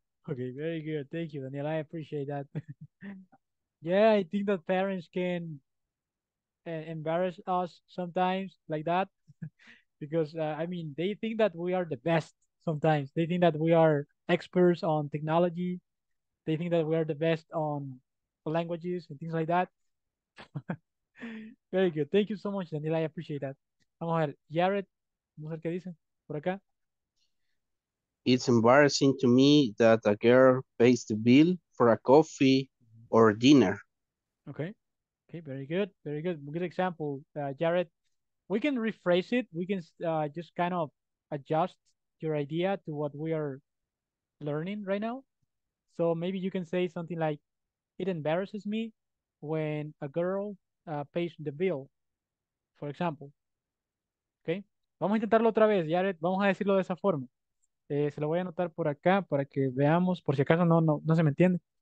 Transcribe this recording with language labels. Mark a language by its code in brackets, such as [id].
[en] Okay, very good. Thank you, Daniela. I appreciate that. Yeah, I think that parents can embarrass us sometimes like that because I mean they think that we are the best sometimes. They think that we are experts on technology. They think that we are the best on languages and things like that. Very good. Thank you so much, Daniela. I appreciate that. [es] Vamos a ver, Jared, vamos a ver qué dice por acá. [en] It's embarrassing to me that a girl pays the bill for a coffee or dinner. Okay. Okay, very good. Very good. Good example, Jared. We can rephrase it. We can just kind of adjust your idea to what we are learning right now. So maybe you can say something like, it embarrasses me when a girl pays the bill, for example. [es] Okay. Vamos a intentarlo otra vez, Jared. Vamos a decirlo de esa forma. Se lo voy a anotar por acá para que veamos, por si acaso no se me entiende.